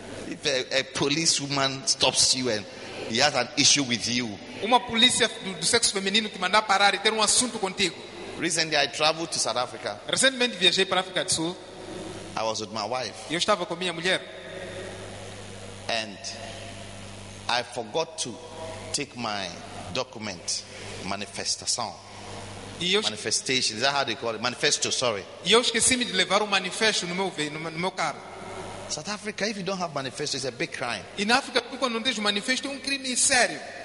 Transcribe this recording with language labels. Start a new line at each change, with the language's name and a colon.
English: If a police woman stops you and he has an issue with you.
Portuguese: Uma polícia do sexo feminino te mandar parar e ter assunto contigo.
English: Recently, I traveled to South Africa.
Portuguese: Recentemente viajei para a África do Sul.
English: I was with my wife.
Portuguese: Eu estava com minha mulher.
English: And I forgot to take my document, manifestation. Is that how they call it? Manifesto, sorry.
Portuguese: E eu esqueci-me de levar manifesto no meu carro.
English: South Africa, if you don't have manifesto, it's a big crime.
Portuguese: E na África, quando não tens manifesto, é crime sério.